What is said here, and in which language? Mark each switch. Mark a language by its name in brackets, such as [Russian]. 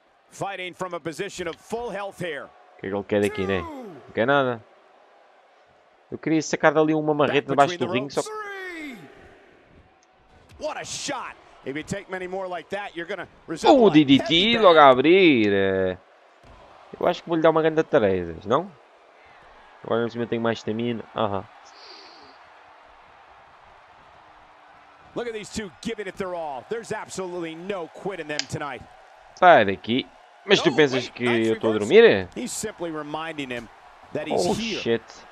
[English] Fighting from a position of full health here. [Portuguese] O que é que ele quer aqui, né? Não quer nada. Eu queria sacar dali uma marreta debaixo do ringue, só que... [English] What a shot! If you take many more like that, you're gonna resemble a heavy DDT [Portuguese] logo a abrir! Eu acho que vou lhe dar uma grande tareza, não? Agora não sei se eu tenho mais stamina. [English] Look at these two giving it their all. There's absolutely no quitting them tonight. [Portuguese] Sai daqui. Mas tu pensas que eu estou a dormir? [English] He's simply reminding him that he's here. Oh shit.